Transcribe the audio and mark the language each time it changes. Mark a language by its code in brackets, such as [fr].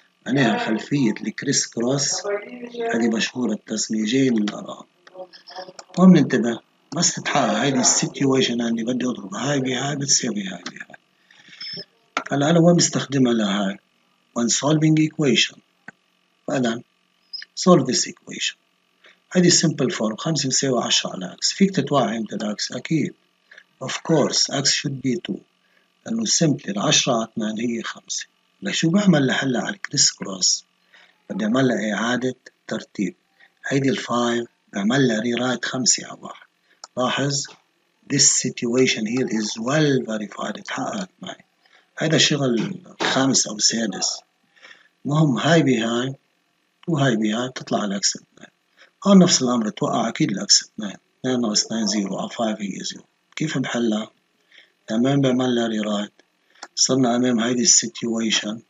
[ar] معناها خلفية لكريس كروس هذه مشهورة التسمية جايين من العراق. المهم ننتبه بس تتحقق هذه السيتويشن اللي بدي اضرب هاي بهاي بتساوي هاي بهاي. هلا انا وين بستخدمها لهاي؟ [en] When solving equation. [ar] فإذن [en] solve this equation. [ar] هذه simple form 5 بتساوي 10 على x. فيك تتوقع امتى الاكس؟ اكيد. [en] Of course x should be 2. [ar] لانه simply 10 على 8 هي 5. لشو بعمل لحلة على الكريس كروس؟ بدي اعمل لها اعادة ترتيب. هيدي الفايف بعمل لها ريرايت خمسة على واحد. لاحظ [en] this situation here is well verified [ar] اتحققت معي. هيدا شغل خامس او سادس. المهم هاي بهاي وهاي بهاي بتطلع الاكس 2. هون نفس الامر توقع اكيد الاكس 2. 2 ناقص 2 0 على 5 هي 0. كيف بحلها؟ تمام بعمل لها ريرايت. صرنا امام هيدي السيتويشن.